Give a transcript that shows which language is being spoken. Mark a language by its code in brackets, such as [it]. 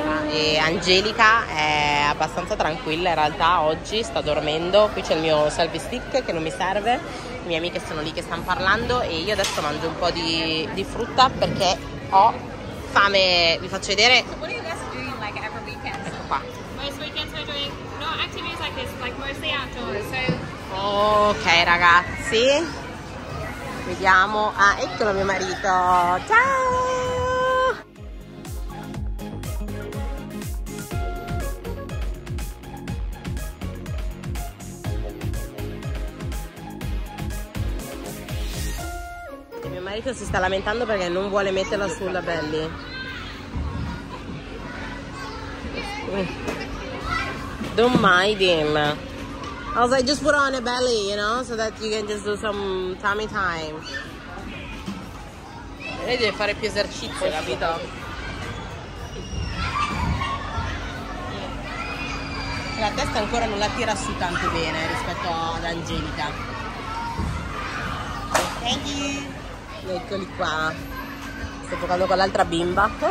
[it] E Angelica è abbastanza tranquilla in realtà, oggi sta dormendo, qui c'è il mio selfie stick che non mi serve, le mie amiche sono lì che stanno parlando e io adesso mangio un po' di frutta perché ho fame, vi faccio vedere. Supponi che adesso devi qua. [en] Most weekends we're doing not activities like this, like mostly outdoors. So... [it] Ok ragazzi, vediamo. Ah, eccolo mio marito. Ciao. Marico si sta lamentando perché non vuole metterla sulla Belly. [en] Don't mind him. I was like, just put on a belly, you know, so that you can just do some tummy time. [it] Lei deve fare più esercizio, capito? La testa ancora non la tira su tanto bene rispetto ad Angelica. [en] Thank you. [it] Eccoli qua, sto giocando con l'altra bimba.